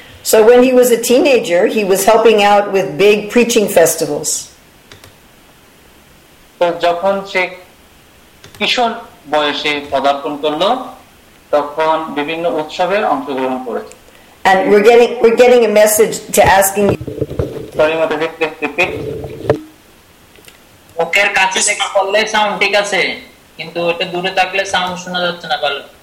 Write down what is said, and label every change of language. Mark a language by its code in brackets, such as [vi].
[en] So when he was a teenager, he was helping out with big preaching festivals. [bn] তো যখন সে কিশোর বয়সে পদার্পণ করলো, তখন বিভিন্ন উৎসবে অংশগ্রহণ করেছে। [en] And we're getting a message to asking. [bn] Sorry, মাঝে মাঝে repeat. ওকের কাছে থেকে করলে সাউন্ড ঠিক আছে, কিন্তু ওটা দূরে থাকলে সাউন্ড শোনা যাচ্ছে না ভালো।